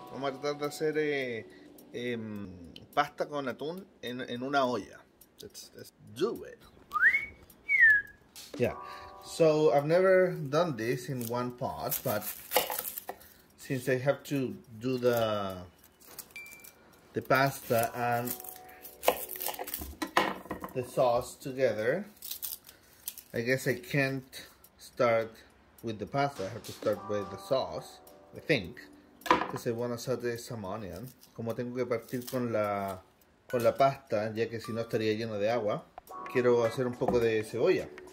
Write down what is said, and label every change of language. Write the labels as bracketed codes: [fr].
[es] Vamos a tratar de hacer pasta con atún en una olla. [en] Let's do it. Yeah, so I've never done this in one pot, but since I have to do the pasta and the sauce together, I guess I can't start with the pasta. I have to start with the sauce, I think. Because I want to saute some onion. [es] Como tengo que partir con la pasta, ya que si no estaría lleno de agua, quiero hacer un poco de cebolla.